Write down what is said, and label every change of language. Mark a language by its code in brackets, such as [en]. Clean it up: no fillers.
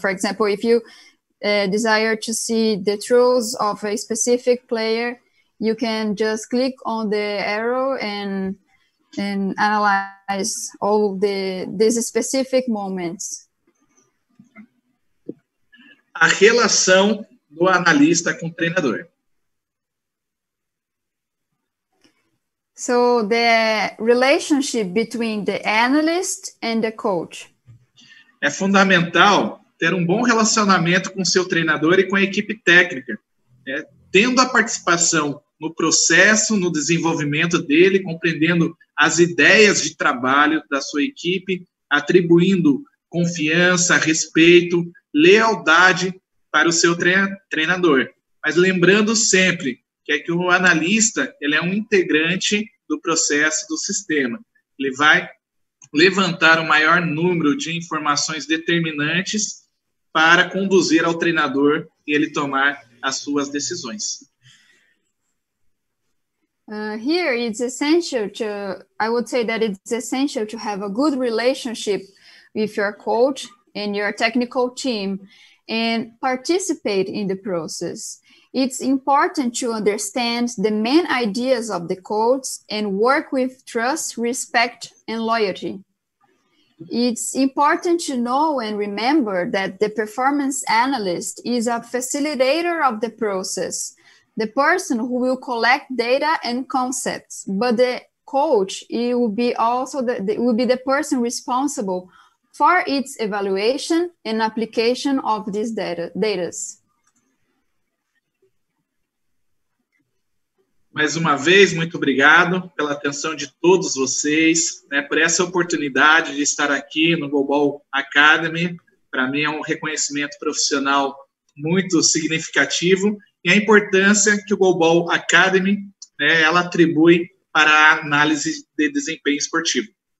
[en] For example, if you desire to see the throws of a specific player, you can just click on the arrow and analyze all these specific moments. [pt] A relação do analista com o treinador. [en] So the relationship between the analyst and the coach. [pt] É fundamental ter um bom relacionamento com seu treinador e com a equipe técnica, né? Tendo a participação no processo, no desenvolvimento dele, compreendendo as ideias de trabalho da sua equipe, atribuindo confiança, respeito, lealdade para o seu treinador. Mas lembrando sempre que é que o analista, ele é um integrante do processo do sistema. Ele vai levantar o maior número de informações determinantes para conduzir ao treinador e ele tomar as suas decisões. [en] Here it's essential to, I would say that it's essential to have a good relationship with your coach and your technical team and participate in the process. It's important to understand the main ideas of the coach and work with trust, respect, and loyalty. It's important to know and remember that the performance analyst is a facilitator of the process, the person who will collect data and concepts, but the coach, it will be also the person responsible for its evaluation and application of these data. [pt] Mais uma vez, muito obrigado pela atenção de todos vocês, né, por essa oportunidade de estar aqui no Goalball Academy. Para mim é um reconhecimento profissional muito significativo e a importância que o Goalball Academy, né, ela atribui para a análise de desempenho esportivo.